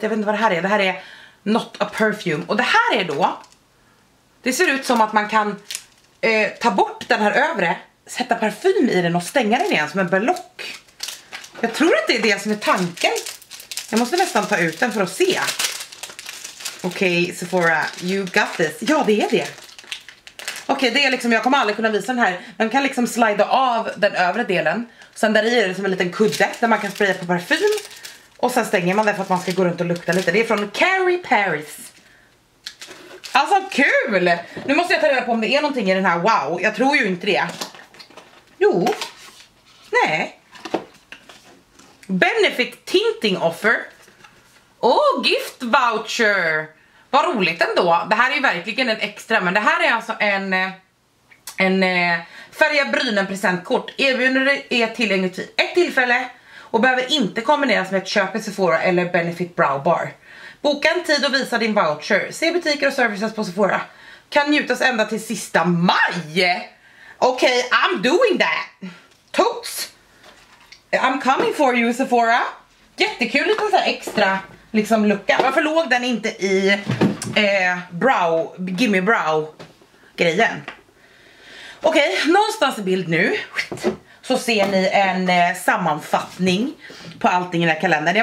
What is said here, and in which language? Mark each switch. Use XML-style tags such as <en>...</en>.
<sv>Jag vet inte vad det här är, det här är Not a Perfume. Och det här är då, det ser ut som att man kan ta bort den här övre, sätta parfym i den och stänga den igen som en block. Jag tror att det är det som är tanken. Jag måste nästan ta ut den för att se. Okej,</sv> <en>okay, Sephora, you got this.</en> <sv>Ja, det är det. Okej, det är liksom, jag kommer aldrig kunna visa den här. Den kan liksom slida av den övre delen. Sen där i är det som en liten kudde där man kan spraya på parfym. Och sen stänger man den för att man ska gå runt och lukta lite. Det är från Carrie Paris. Alltså kul! Nu måste jag ta reda på om det är någonting i den här. Wow, jag tror ju inte det. Jo. Nej.</sv> <en>Benefit tinting offer. Oh, gift voucher.</en> <sv>Vad roligt ändå. Det här är ju verkligen en extra, men det här är alltså en färga brynen presentkort. Erbjudandet är tillgängligt vid ett tillfälle och behöver inte kombineras med ett köp i Sephora eller Benefit Brow Bar. Boka en tid och visa din voucher. Se butiker och services på Sephora. Kan njutas ända till sista maj. Okej,</sv> <en>okay, I'm doing that. Toots. I'm coming for you Sephora.</en> <sv>Jättekul lite så här extra. Liksom lucka. Varför låg den inte i brow, gimme brow grejen? Okej, okay, någonstans i bild nu så ser ni en sammanfattning på allting i den här kalendern.</sv>